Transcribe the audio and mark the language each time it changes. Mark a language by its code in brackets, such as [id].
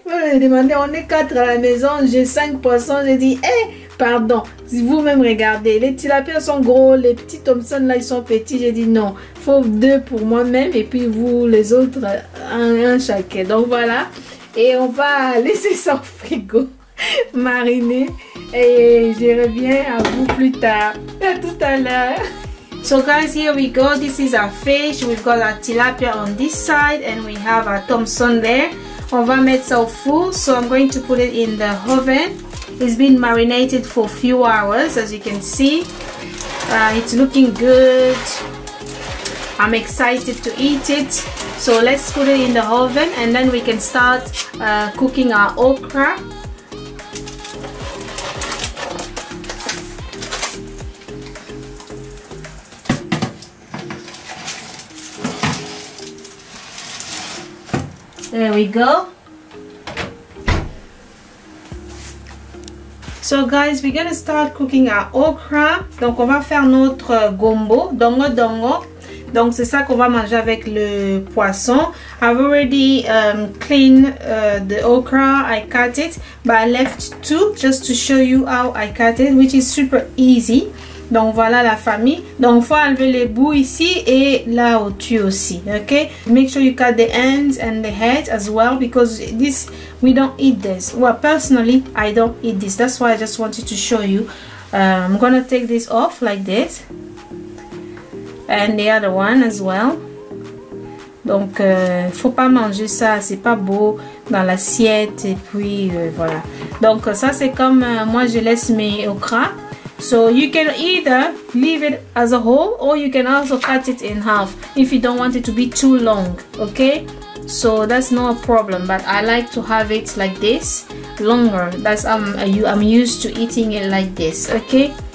[fr] Vous me demandez, on est 4 à la maison, j'ai 5 poissons, j'ai dit, hey, pardon, vous-même regardez, les tilapia sont gros, les petits Thompson là ils sont petits, j'ai dit non, faut 2 pour moi-même et puis vous les autres, un chacun. Donc voilà, et on va laisser ça au frigo mariner et je reviens à vous plus tard, à tout à l'heure. [en] So guys, here we go, this is our fish, we've got our tilapia on this side and we have our Thompson there. [fr] On va mettre ça au four, [en] so I'm going to put it in the oven. It's been marinated for a few hours, as you can see. It's looking good. I'm excited to eat it. So let's put it in the oven and then we can start cooking our okra. There we go. So guys, we're gonna start cooking our okra. [fr] Donc on va faire notre gombo, dongo dongo. Donc c'est ça qu'on va manger avec le poisson. [en] I've already cleaned the okra. I cut it, but I left two just to show you how I cut it, which is super easy. [fr] Donc voilà la famille. Donc faut enlever les bouts ici et là au-dessus aussi. Ok? [en] Make sure you cut the ends and the head as well because this we don't eat this. Well, personally, I don't eat this. That's why I just wanted to show you. I'm gonna take this off like this. And the other one as well. [fr] Donc faut pas manger ça, c'est pas beau dans l'assiette et puis voilà. Donc ça c'est comme moi je laisse mes okra. [en] So you can either leave it as a whole or you can also cut it in half if you don't want it to be too long, okay? So that's not a problem, but I like to have it like this longer. That's I'm used to eating it like this, okay?